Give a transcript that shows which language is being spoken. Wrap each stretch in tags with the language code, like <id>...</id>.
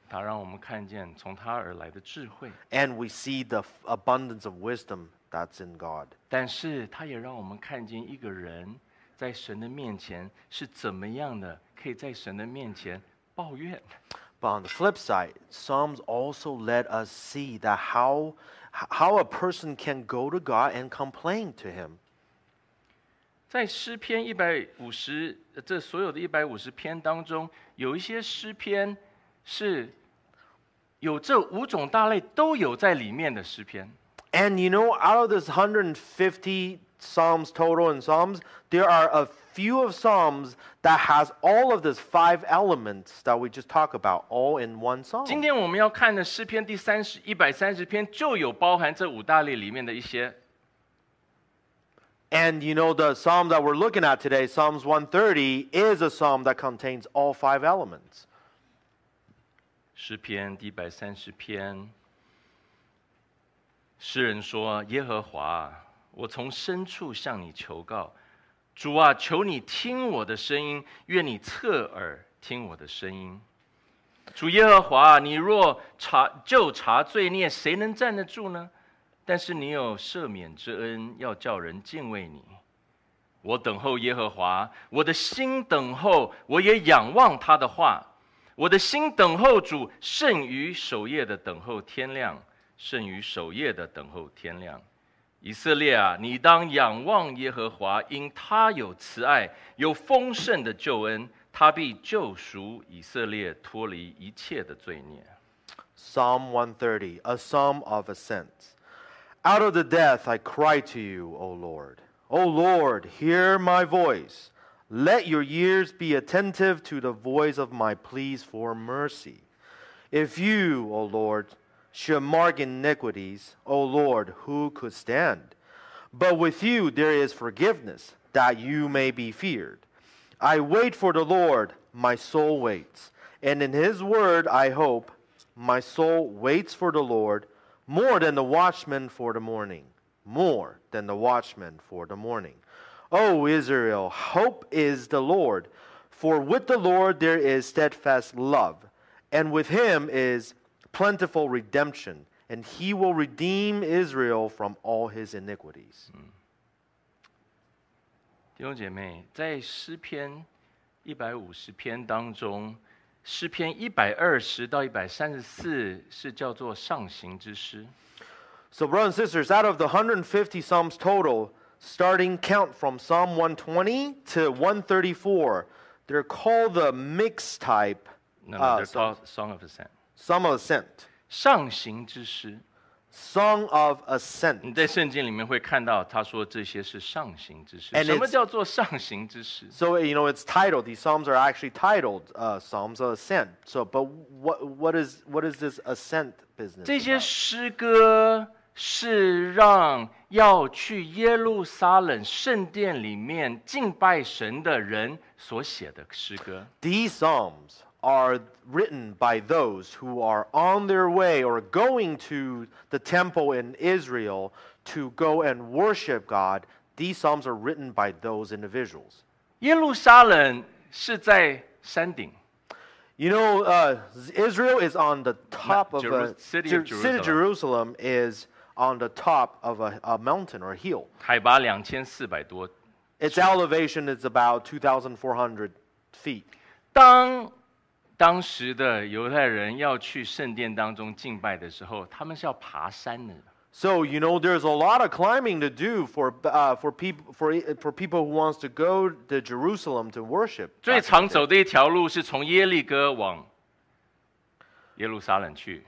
<zh>他让我们看见从他而来的智慧。</zh> <en>And we see the abundance of wisdom that's in God.</en> <zh>但是他也让我们看见一个人在神的面前是怎么样的，可以在神的面前抱怨。</zh> <en>But on the flip side, Psalms also let us see that how a person can go to God and complain to Him.</en> <zh>在诗篇150这所有的150篇当中，有一些诗篇是有这五种大类都有在里面的诗篇。</zh> <en>And you know, out of this 150 psalms total in psalms, there are a few of psalms that has all of these five elements that we just talked about all in one psalm.</en> <zh>今天我们要看的诗篇第130篇就有包含这五大类里面的一些。</zh> <en>And you know, the psalm that we're looking at today, Psalms 130, is a psalm that contains all five elements.</en> <zh>诗篇第130篇，诗人说，耶和华，我从深处向你求告，主啊，求你听我的声音，愿你侧耳听我的声音。主耶和华，你若查就查罪孽，谁能站得住呢？但是你有赦免之恩，要叫人敬畏你。我等候耶和华，我的心等候，我也仰望他的话。我的心等候主，甚于守夜的等候天亮，甚于守夜的等候天亮。以色列啊，你当仰望耶和华，因他有慈爱，有丰盛的救恩，他必救赎以色列，脱离一切的罪孽。</zh> <en>Psalm 130, a psalm of ascent. Out of the depth I cry to you, O Lord. O Lord, hear my voice. Let your ears be attentive to the voice of my pleas for mercy. If you, O Lord, should mark iniquities, O Lord, who could stand? But with you there is forgiveness, that you may be feared. I wait for the Lord, my soul waits. And in his word I hope, my soul waits for the Lord,More than the watchman for the morning, more than the watchman for the morning. O Israel, hope is the Lord, for with the Lord there is steadfast love, and with him is plentiful redemption, and he will redeem Israel from all his iniquities.</en> <zh>弟兄姐妹，在诗篇150篇当中，诗篇120到134是叫做上行之诗。</zh> <en>So brothers and sisters, out of the 150 psalms total, starting count from Psalm 120 to 134, they're called the mixed type. Song of ascent.</en> <zh>上行之诗。</zh> <en>Song of ascent.</en> <zh>你在圣经里面会看到他说这些是上行之诗。什么叫做上行之诗？</zh> <en>So you know it's titled. These psalms are actually titled Psalms of Ascent. So, but what is this ascent business?</en> <zh>这些诗歌是让要去耶路撒冷圣殿里面敬拜神的人所写的诗歌。</zh> <en>These psalms are written by those who are on their way or going to the temple in Israel to go and worship God. These psalms are written by those individuals.</en> <zh>耶路撒冷是在山顶。</zh> <en>You know, Israel is on the top of a city of Jerusalem is on the top of a mountain or a hill.</en> <zh>海拔2400多。</zh> <en>Its elevation is about 2,400 feet.</en> <zh>当时的犹太人要去圣殿当中敬拜的时候，他们是要爬山的。</zh> <en>So you know, there's a lot of climbing to do for people who wants to go to Jerusalem to worship.</en> <zh>最常走的一条路是从耶利哥往耶路撒冷去。</zh>